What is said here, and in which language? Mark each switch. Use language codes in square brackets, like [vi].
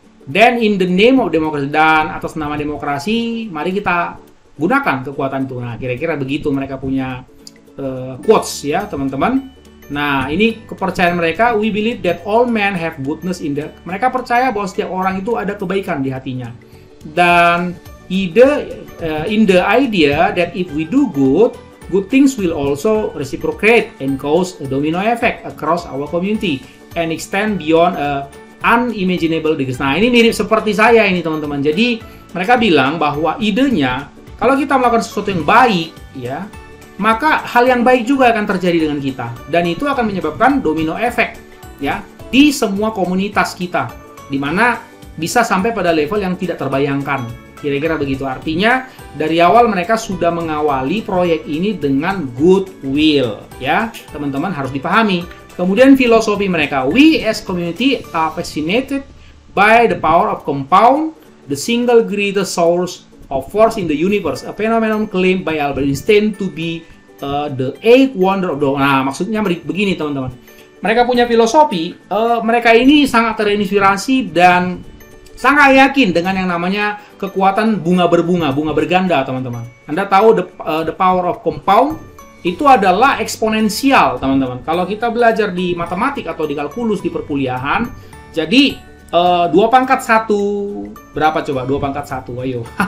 [en] Then in the name of democracy, [id] dan atas nama demokrasi, mari kita gunakan kekuatan itu. Nah, kira-kira begitu mereka punya quotes ya, teman-teman. Nah, ini kepercayaan mereka, [en] we believe that all men have goodness in their... [id] Mereka percaya bahwa setiap orang itu ada kebaikan di hatinya. [en] Dan in the idea that if we do good, good things will also reciprocate and cause a domino effect across our community and extend beyond a unimaginable degree. [id] Nah, ini mirip seperti saya ini, teman-teman. Jadi, mereka bilang bahwa idenya, kalau kita melakukan sesuatu yang baik, ya, maka hal yang baik juga akan terjadi dengan kita. Dan itu akan menyebabkan domino effect, ya, di semua komunitas kita. Di mana bisa sampai pada level yang tidak terbayangkan. Kira-kira begitu. Artinya, dari awal mereka sudah mengawali proyek ini dengan goodwill. Ya, teman-teman harus dipahami. Kemudian filosofi mereka, [en] we as community are fascinated by the power of compound, the single greatest source of force in the universe, a phenomenon claimed by Albert Einstein to be the eighth wonder of the world. [id] Nah, maksudnya begini teman-teman. Mereka punya filosofi, mereka ini sangat terinspirasi dan sangat yakin dengan yang namanya kekuatan bunga berbunga, bunga berganda, teman-teman. Anda tahu [en] the power of compound [id] itu adalah eksponensial, teman-teman. Kalau kita belajar di matematik atau di kalkulus di perkuliahan, jadi 2 pangkat 1, berapa coba 2 pangkat 1, ayo.